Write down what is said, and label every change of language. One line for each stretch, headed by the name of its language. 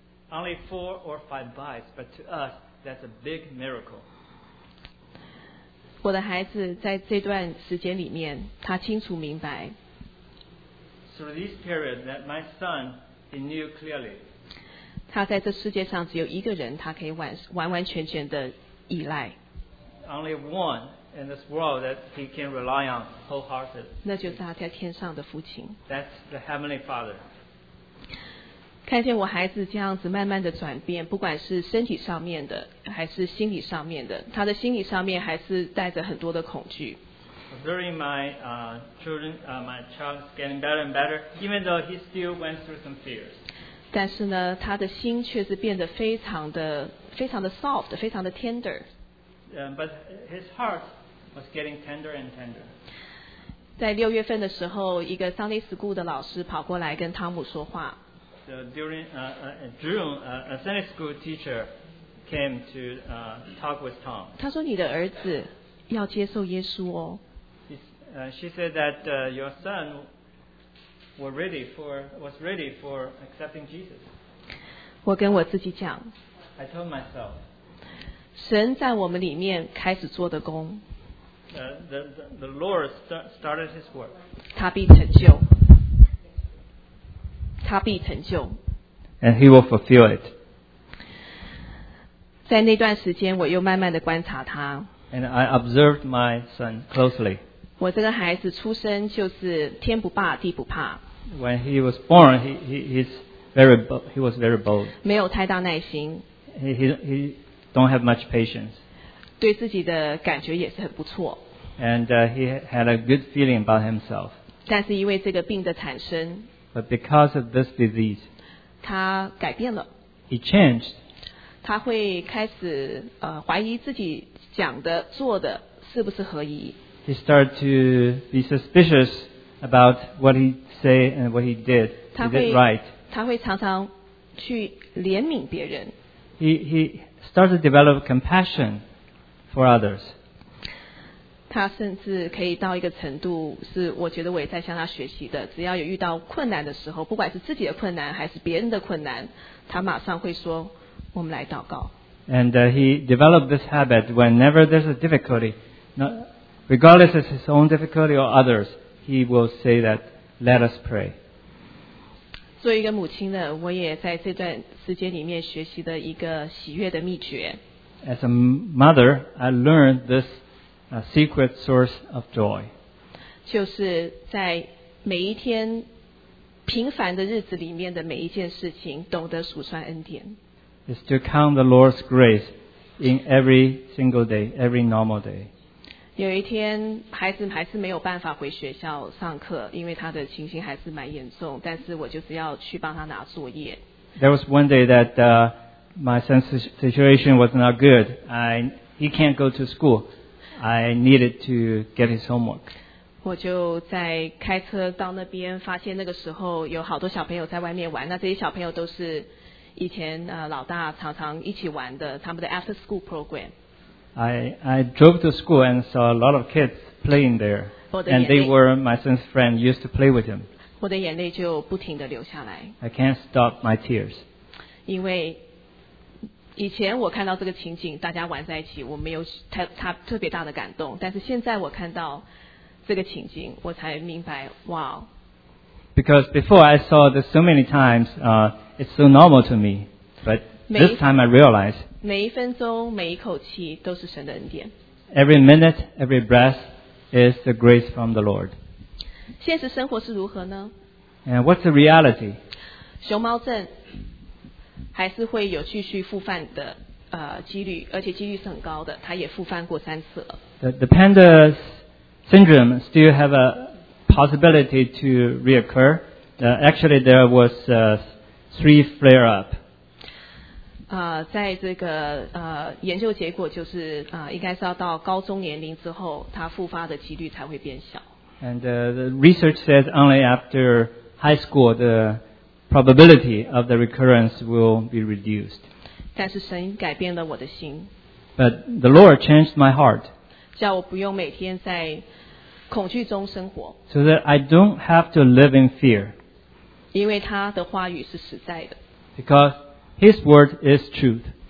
English: Only four or five bites, but to us, that's a big miracle.
Chinese: 我的孩子在这段时间里面，他清楚明白。
English: So this period that my son, he knew clearly.
Chinese: 他在这世界上只有一个人，他可以完全的依赖。
English: Only one in this world that he can rely on wholehearted.
Chinese: 那就是他在天上的父亲。
English: That's the Heavenly Father.
Chinese: 看见我孩子这样子慢慢的转变，不管是身体上面的还是心理上面的，他的心理上面还是带着很多的恐惧。
English: During my children, my child is getting better and better, even though he still went through some fears.
Chinese: 但是呢，他的心却是变得非常的
English: soft,
Chinese: 非常的
English: tender. But his heart was getting tender and tender.
Chinese: 在六月份的时候，一个 Sunday School 的老师跑过来跟汤姆说话。
English: During June, a Sunday school teacher came to talk with Tom.
Chinese: 他说你的儿子要接受耶稣哦。
English: She said that your son was ready for accepting Jesus.
Chinese: 我跟我自己讲。
English: I told myself.
Chinese: 神在我们里面开始做的工。
English: The Lord started His work.
Chinese: 他必成就。他必成就。
English: And he will fulfill it.
Chinese: 在那段时间，我又慢慢的观察他。
English: And I observed my son closely.
Chinese: 我这个孩子出生就是天不怕地不怕。
English: When he was born, he was very bold.
Chinese: 没有太大耐心。
English: He don't have much patience.
Chinese: 对自己的感觉也是很不错。
English: And he had a good feeling about himself.
Chinese: 但是因为这个病的产生。
English: But because of this disease,
Chinese: 他改变了。
English: He changed.
Chinese: 他会开始怀疑自己讲的做的是不是合宜。
English: He started to be suspicious about what he said and what he did. He did right.
Chinese: 他会常常去怜悯别人。
English: He started to develop compassion for others.
Chinese: 他甚至可以到一个程度，是我觉得我也在向他学习的。只要有遇到困难的时候，不管是自己的困难还是别人的困难，他马上会说：“我们来祷告。”
English: And he developed this habit whenever there's a difficulty, not, regardless of his own difficulty or others, he will say that, "Let us pray."
Chinese: 作为一个母亲呢，我也在这段时间里面学习的一个喜悦的秘诀。
English: As a mother, I learned this. A secret source of joy.
Chinese: 就是在每一天平凡的日子里面的每一件事情，懂得数算恩典。
English: Is to count the Lord's grace in every single day, every normal day.
Chinese: 有一天，孩子还是没有办法回学校上课，因为他的情形还是蛮严重。但是我就是要去帮他拿作业。
English: There was one day that my son's situation was not good. He can't go to school. I needed to get his homework.
Chinese: 我就在开车到那边，发现那个时候有好多小朋友在外面玩。那这些小朋友都是以前老大常常一起玩的，他们的
English: after school program. I drove to school and saw a lot of kids playing there, and they were my son's friend used to play with him.
Chinese: 我的眼泪就不停地流下来。
English: I can't stop my tears.
Chinese: 因为以前我看到这个情景，大家玩在一起，我没有他特别大的感动。但是现在我看到这个情景，我才明白，哇、wow、
English: ！Because before I saw this so many times, it's so normal to me. But this time I realized
Chinese: 每一分钟每一口气都是神的恩典。
English: Every minute, every breath is the grace from the Lord.
Chinese: 现实生活是如何呢
English: ？And what's the reality?
Chinese: 熊猫症。还是会有继续复犯的几率，而且几率是很高的。他也复犯过三次了。
English: The panda syndrome still have a possibility to reoccur. Actually, there was three flare-up.
Chinese: 在这个研究结果就是应该是要到高中年龄之后，它复发的几率才会变小。
English: And the research says only after high school, the probability of the recurrence will be reduced.
Chinese: 但是神改变了我的心。
English: But the Lord changed my heart.
Chinese: 叫我不用每天在恐惧中生活。
English: So that I don't have to live in fear.
Chinese: 因为他的话语是实在的。
English: Because His word is truth.